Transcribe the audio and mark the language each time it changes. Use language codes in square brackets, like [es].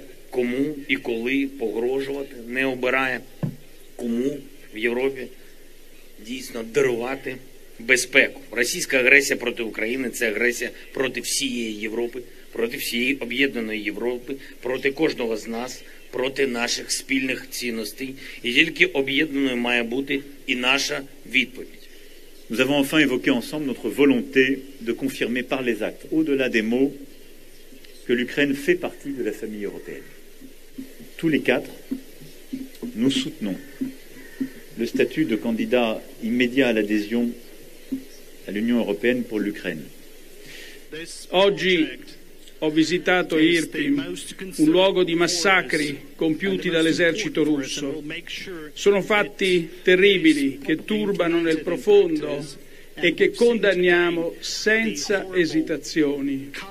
[uk] Кому і коли погрожувати, не обирає, кому в Європі дійсно дарувати безпеку. Російська агресія проти України – це агресія проти всієї Європи, проти всієї об'єднаної Європи, проти кожного з нас, проти наших спільних цінностей. І тільки об'єднаною має бути і наша відповідь. [fr] Nous avons enfin évoqué ensemble notre volonté de confirmer par les actes, au-delà des mots, que l'Ukraine fait partie de la famille européenne. Tous les quatre, nous soutenons le statut de candidat immédiat à l'adhésion à l'Union européenne pour l'Ukraine. [it] Oggi ho visitato Irpin, un luogo di massacri compiuti dall'esercito russo. Sono fatti terribili che turbano nel profondo e che condanniamo senza esitazioni.